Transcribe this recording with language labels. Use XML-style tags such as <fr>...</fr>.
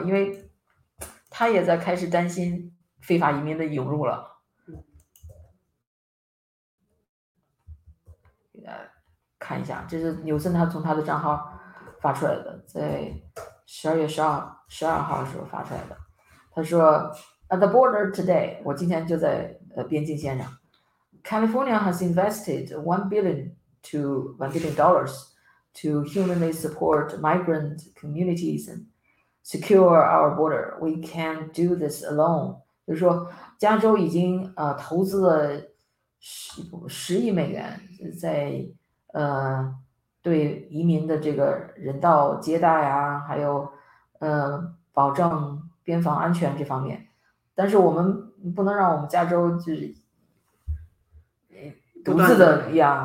<zh>因为他也在开始担心非法移民的涌入了。看一下，这是纽森他从他的账号发出来的，在12月12号的时候发出来的。他说 ，</zh> <en>At the border today，</en> <zh>我今天就在边境线上。</zh> <en>California has invested $1 billion to humanely support migrant communities and secure our border. We can't do this alone。</en> <zh>就是说，加州已经投资了10亿美元在。对移民的这个人道接待啊，还有保证边防安全这方面，但是我们不能让我们加州就是独自的呀</zh>